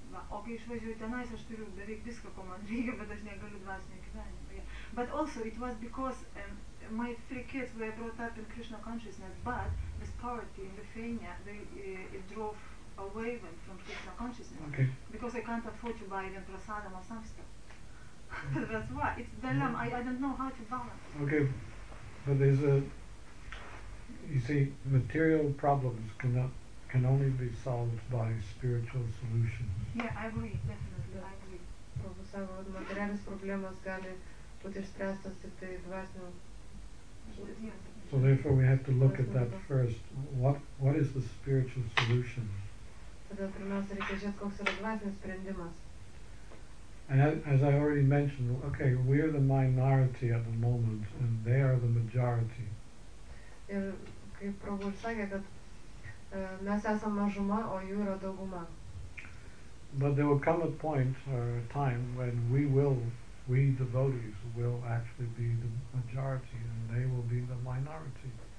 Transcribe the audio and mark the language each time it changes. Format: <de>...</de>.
<lt>O kai išvažiuoju tenais, aš turiu beveik viską, ko man reikia, bet aš negaliu dvasinio gyvenimo.</lt> <en>Yeah. But also it was because my three kids were brought up in Krishna consciousness, but this poverty in Lithuania, it drove away from Krishna consciousness. Okay. Because I can't afford to buy even prasadam or some stuff. That's why. It's dilemma. I don't know how to balance. Okay. But there's a... You see, material problems can only be solved by spiritual solutions. Yeah, I agree. Definitely. Yeah. I agree. So therefore we have to look at that first. What is the spiritual solution?</en> <lt>Tada pirmiausia reikia žiūrėti, koks yra dvasinis sprendimas.</lt> <en>And as I already mentioned, okay, we are the minority at the moment and they are the majority.</en> <lt>Ir kaip Prabhu sakė, kad mes esam mažuma, o jų yra dauguma.</lt> <en>But there will come a point or a time when we devotees will actually be the majority and they will be the minority.</en>